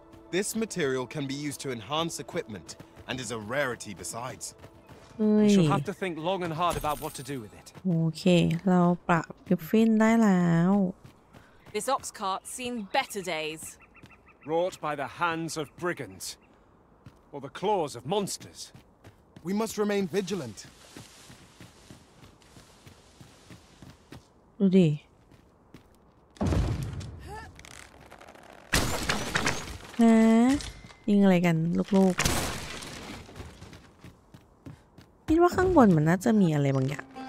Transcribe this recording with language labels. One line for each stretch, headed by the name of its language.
English: This material can be used to enhance equipment and is a rarity besides. We shall have to think long and hard about what to do with it.
Thai: Okay, เราปรับกริฟฟินได้แล้ว
English: This ox cart seen better days. Wrought by the hands of brigands or the claws of monsters. We must remain vigilant.
Thai: ดูดิฮะยิงอะไรกันลูกๆคิดว่าข้างบนมันน่าจะมีอะไรบางอย่าง